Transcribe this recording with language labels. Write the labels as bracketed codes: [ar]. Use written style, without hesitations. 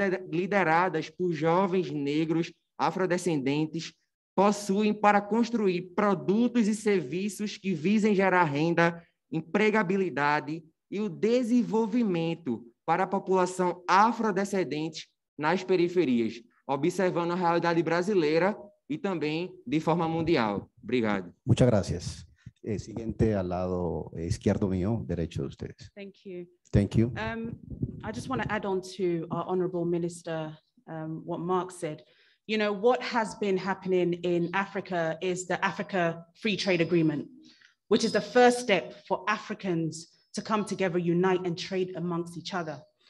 [pt] lideradas por jovens negros afrodescendentes possuem para construir produtos e serviços que visem gerar renda, empregabilidade e o desenvolvimento para a população afrodescendente nas periferias, observando a realidade brasileira e também de forma mundial. Obrigado. [es] Muchas gracias. Siguiente al lado izquierdo mío, derecho de ustedes. [en] Thank you. Thank you. I just want to add on to our Honorable Minister what Mark said. You know, what has been happening in Africa is the Africa Free Trade Agreement, which is the first step for Africans to come together, unite, and trade amongst each other.